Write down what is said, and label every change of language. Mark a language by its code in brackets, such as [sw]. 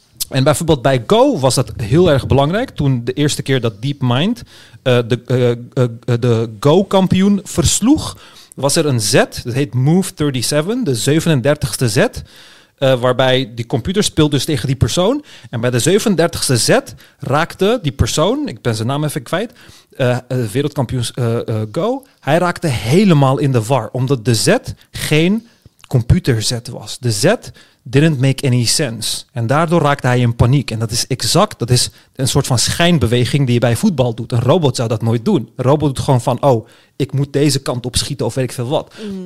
[nl] En bijvoorbeeld bij Go was dat heel erg belangrijk. Toen de eerste keer dat DeepMind de Go-kampioen versloeg, was er een zet, dat heet Move 37, de 37ste zet, waarbij die computer speelt dus tegen die persoon. En bij de 37ste zet raakte die persoon, ik ben zijn naam even kwijt, wereldkampioen Go, hij raakte helemaal in de war, omdat de zet geen computerzet was. De zet [en] didn't make any sense. [nl] En daardoor raakte hij in paniek. En dat is exact, dat is een soort van schijnbeweging die je bij voetbal doet. Een robot zou dat nooit doen. Een robot doet gewoon van, oh, ik moet deze kant op schieten of weet ik veel wat. Mm.